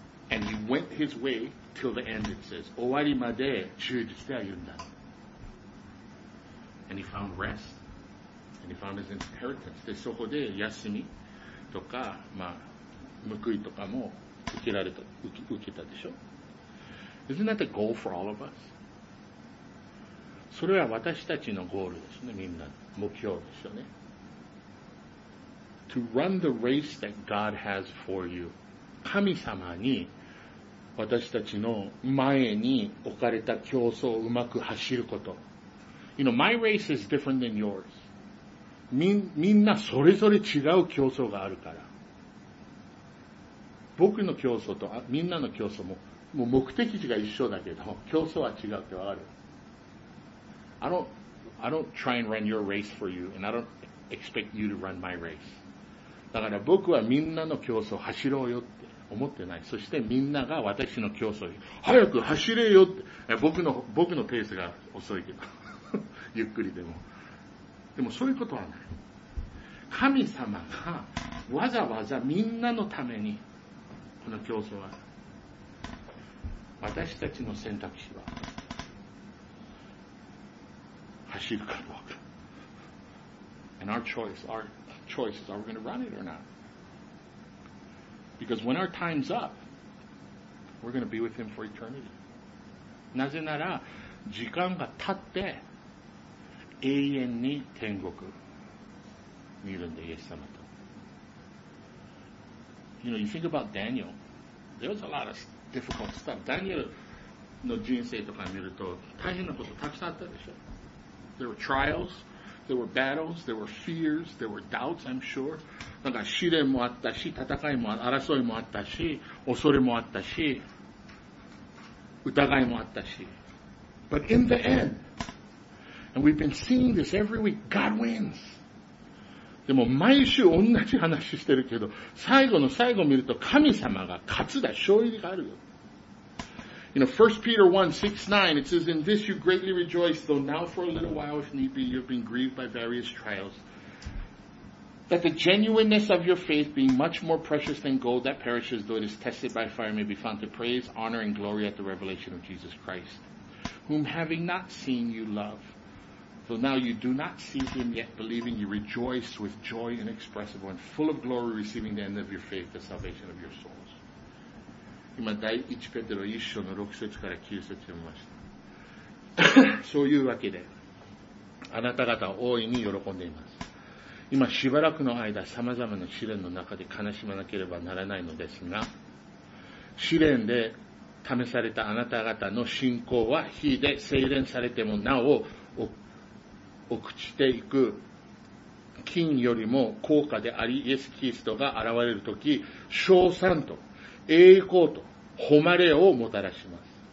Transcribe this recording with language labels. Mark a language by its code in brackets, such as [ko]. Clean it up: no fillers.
[en] And he went his way till the end, it says. [ja] 終わりまで忠実で歩んだ。 [en] And he found rest. And he found his inheritance. [ja] で、そこで休みとか、まあ、報いとかも受けたでしょ。 [en] Isn't that the goal for all of us? [ja] それは私たちのゴールですね、みんな。目標ですよね。 [en] To run the race that God has for you. [ja] 神様に私たちの前に置かれた競争をうまく走ること。 [en] You know, my race is different than yours. [ja] みんなそれぞれ違う競争があるから。僕の競争とみんなの競争も、もう目的地が一緒だけど、競争は違うってある。 [en] I don't try and run your race for you, and I don't expect you to run my race. [ja] だから僕はみんなの競争を走ろうよって思ってない。そしてみんなが私の競争を早く走れよって。僕のペースが遅いけど。ゆっくりでも。でもそういうことはない。神様がわざわざみんなのためにこの競争は、私たちの選択肢は、走るかどうか。 [en] And our choice is, are we going to run it or not? Because when our time's up, we're going to be with him for eternity. [ja] なぜなら、時間が経って、永遠に天国にいるんで、イエス様と。 [en] You know, you think about Daniel. There was a lot of difficult stuff. [ja] Daniel の人生とか見ると、大変なことたくさんあったでしょ。 [en] There were trials, there were battles, there were fears, there were doubts, I'm sure. [ja] なんか試練もあったし、戦いも、争いもあったし、恐れもあったし、疑いもあったし。 [en] But in the end, and we've been seeing this every week, God wins. [ja] でも毎週同じ話してるけど、最後の最後見ると神様が勝つだ、勝利があるよ。 [en] You know, 1 Peter 1, 6, 9, it says, In this you greatly rejoice, though now for a little while, if need be, you have been grieved by various trials. That the genuineness of your faith, being much more precious than gold that perishes, though it is tested by fire, may be found to praise, honor, and glory at the revelation of Jesus Christ, whom having not seen you love, though now you do not see him yet, believing you rejoice with joy inexpressible and full of glory, receiving the end of your faith, the salvation of your soul. [ja] 今、第1ペテロ1章の6節から9節読みました。そういうわけで、あなた方は大いに喜んでいます。今しばらくの間さまざまな試練の中で悲しまなければならないのですが、試練で試されたあなた方の信仰は火で精錬されてもなお朽ちていく金よりも高価であり、イエス・キリストが現れるとき称賛と栄光と誉れをもたらします。